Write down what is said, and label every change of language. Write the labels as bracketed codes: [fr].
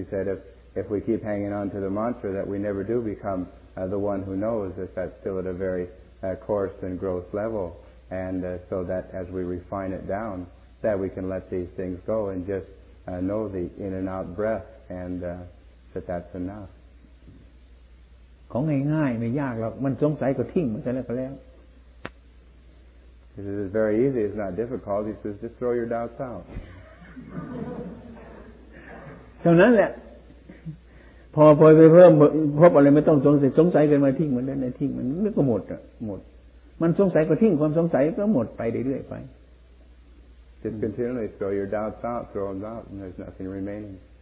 [en] He said if we keep hanging on to the mantra, that we never do become the one who knows, if that's still at a very coarse and gross level. And so that as we refine it down, that we can let these things go and just know the in and out breath, and that's enough. [th] ของง่ายๆไม่ยากหรอกมันสงสัยก็ทิ้งมันซะแล้วก็แล้ว [en] This is very easy. It's not difficult. He says, just throw your doubts out. [th] เท่านั้นแหละพอไปเพิ่มพบอะไรไม่ต้องสงสัยสงสัยกันมาทิ้งมันได้ในทิ้งมันมันก็หมดอ่ะหมดมันสงสัยก็ทิ้งความสงสัยก็หมดไปเรื่อยๆไป [en] Just continually throw your doubts out, throw them out, and there's nothing remaining.